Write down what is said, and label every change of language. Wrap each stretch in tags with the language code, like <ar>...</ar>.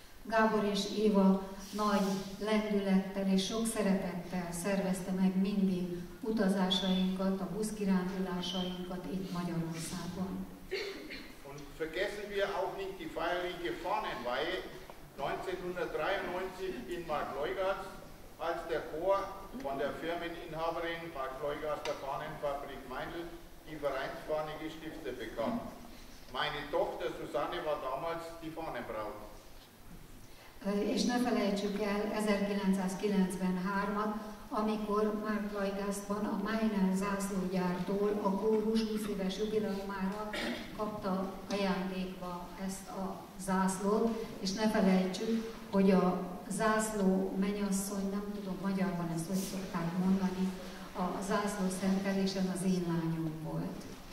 <hu>Gábor és Éva nagy lendülettel és sok szeretettel szervezte meg mindig utazásainkat, a buszkirándulásainkat itt Magyarországon.</hu> <de>Und vergessen wir auch nicht die feierliche Fahnenweihe 1993 in Mark Lajgászt, als der Chor von der Firmeninhaberin Mark Lajgászt der Fahnenfabrik Meindl die Vereinsfahne gestiftet bekam. Meine Tochter Susanne war damals die Fahnenbraut.</de> <hu>És ne felejtsük el 1993-at, amikor Mark Lajgászban a Meinl zászlógyártól a kórus 20 éves jubileumára kapta ajándékba ezt a zászlót, és ne felejtsük, hogy a zászló menyasszony, nem tudom magyarban ezt hogy szokták mondani, a zászló szentelésen az én lányom volt.</hu>